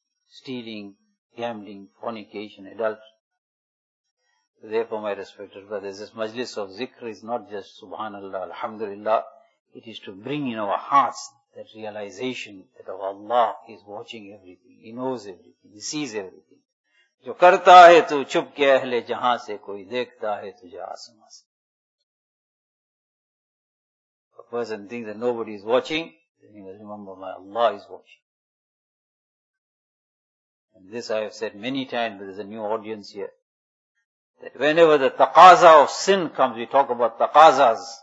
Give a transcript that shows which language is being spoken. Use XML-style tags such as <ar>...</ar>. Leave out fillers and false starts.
<en>Stealing, gambling, fornication, adultery. Therefore, my respected brothers, this majlis of zikr is not just subhanallah, alhamdulillah. It is to bring in our hearts that realization that Allah is watching everything. He knows everything. He sees everything.</en> <ur>جو کرتا ہے تو چھپ کے اہل جہاں سے کوئی دیکھتا ہے تجھے آسمان سے.</ur> <en>A person thinks that nobody is watching, then he must remember my Allah is watching. And this I have said many times, but there is a new audience here. That whenever the taqaza of sin comes, we talk about taqazas.</en>